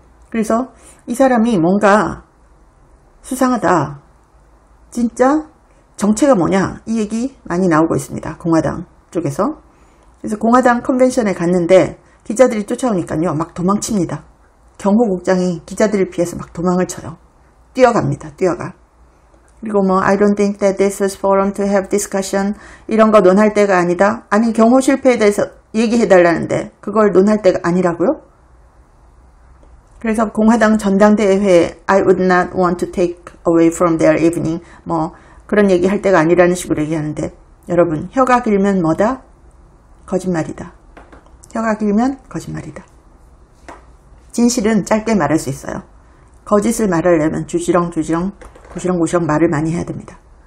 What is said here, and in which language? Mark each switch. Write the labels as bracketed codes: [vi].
[ko] 그래서 이 사람이 뭔가 수상하다. 진짜 정체가 뭐냐? 이 얘기 많이 나오고 있습니다. 공화당 쪽에서. 그래서 공화당 컨벤션에 갔는데 기자들이 쫓아오니까요. 막 도망칩니다. 경호국장이 기자들을 피해서 막 도망을 쳐요. 뛰어갑니다. 뛰어가. 그리고 뭐 [en] I don't think that this is forum to have discussion. [ko] 이런 거 논할 때가 아니다. 아니 경호 실패에 대해서 얘기해달라는데 그걸 논할 때가 아니라고요? 그래서 공화당 전당대회에 [en] I would not want to take away from their evening. [ko] 뭐 그런 얘기할 때가 아니라는 식으로 얘기하는데 여러분 혀가 길면 뭐다? 거짓말이다. 혀가 길면 거짓말이다. 진실은 짧게 말할 수 있어요. 거짓을 말하려면 주지렁 주지렁 고시렁 고시렁 말을 많이 해야 됩니다.